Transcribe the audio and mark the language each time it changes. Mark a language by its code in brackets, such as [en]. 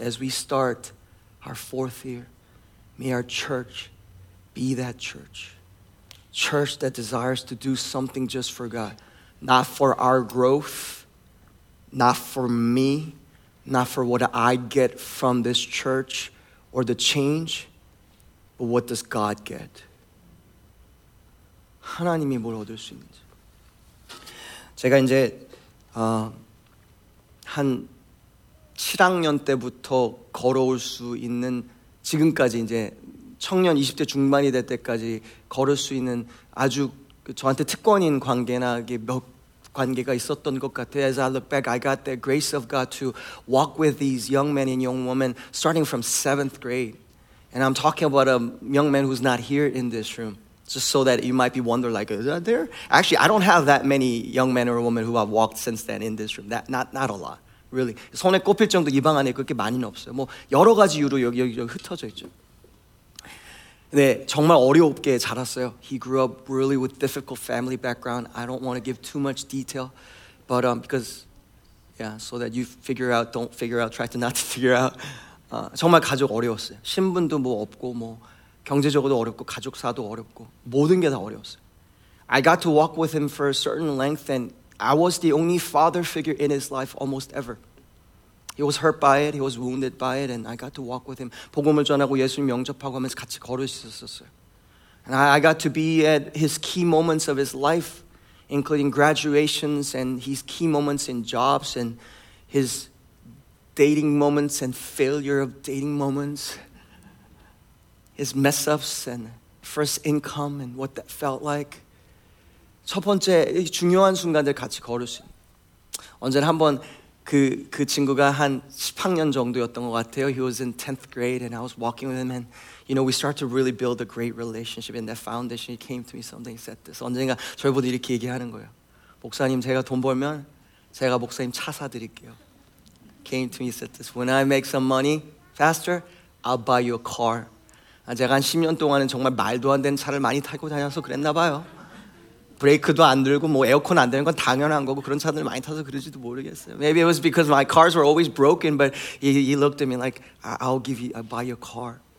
[en] As we start our fourth year, may our church be that church. Church that desires to do something just for God. Not for our growth, not for me, not for what I get from this church or the change, but what does God get? [ko] 하나님이 뭘 얻을 수 있는지. 제가 이제 한 7학년 때부터 걸어올 수 있는 지금까지 이제 청년 20대 중반이 될 때까지 걸을 수 있는 아주 저한테 특권인 관계나 몇 관계가 있었던 것 같아요. [en] As I look back, I got the grace of God to walk with these young men and young women starting from 7th grade. And I'm talking about a young man who's not here in this room. Just so that you might be wondering, like, is that there? Actually, I don't have that many young men or women who I've walked since then in this room. Not a lot, really. [ko] 손에 꼽힐 정도 이 방 안에 그렇게 많이는 없어요. 뭐 여러 가지 이유로 여기 흩어져 있죠. 네, 정말 어렵게 자랐어요. [en] He grew up really with difficult family background. I don't want to give too much detail, but because, yeah, so that you figure out, don't figure out, try to not to figure out. [ko] 정말 가족 어려웠어요. 신분도 뭐 없고 뭐. 경제적으로도 어렵고 가족사도 어렵고 모든 게 다 어려웠어요. [en] I got to walk with him for a certain length and I was the only father figure in his life almost ever. He was hurt by it, he was wounded by it and I got to walk with him. [ko] 복음을 전하고 예수님 영접하고 하면서 같이 걸을 수 있었어요. [en] And I got to be at his key moments of his life including graduations and his key moments in jobs and his dating moments and failure of dating moments. His mess ups and first income and what that felt like. [ko] 첫 번째 중요한 순간들 같이 걸을 수 있는. 언제나 한번 그 친구가 한 10학년 정도였던 것 같아요. [en] He was in 10th grade and I was walking with him and you know we started to really build a great relationship and that foundation. He came to me something. He said this. [ko] 언젠가 저희 모두 이렇게 얘기하는 거예요. 목사님 제가 돈 벌면 제가 목사님 차 사드릴게요. [en] Came to me said this. When I make some money faster, I'll buy you a car. [ko] 제가 한 10년 동안은 정말 말도 안 되는 차를 많이 타고 다녀서 그랬나 봐요. 브레이크도 안 들고 뭐 에어컨 안 되는 건 당연한 거고 그런 차들 많이 타서 그런지도 모르겠어요. [en] Maybe it was because my cars were always broken, but he looked at me like, I'll buy you a car.